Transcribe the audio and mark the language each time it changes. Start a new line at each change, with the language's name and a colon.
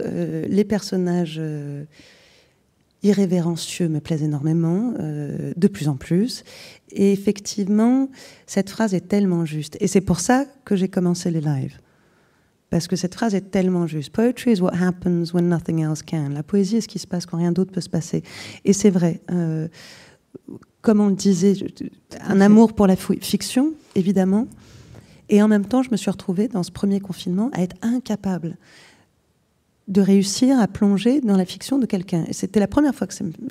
French: Les personnages irrévérencieux me plaisent énormément, de plus en plus. Et effectivement, cette phrase est tellement juste. Et c'est pour ça que j'ai commencé les lives. Parce que cette phrase est tellement juste.
English: Poetry is what happens when nothing else can.
French: La poésie est ce qui se passe quand rien d'autre peut se passer. Et c'est vrai. Comme on le disait, un amour pour la fiction, évidemment. Et en même temps, je me suis retrouvée dans ce premier confinement à être incapable de réussir à plonger dans la fiction de quelqu'un. Et c'était la première fois que c'est...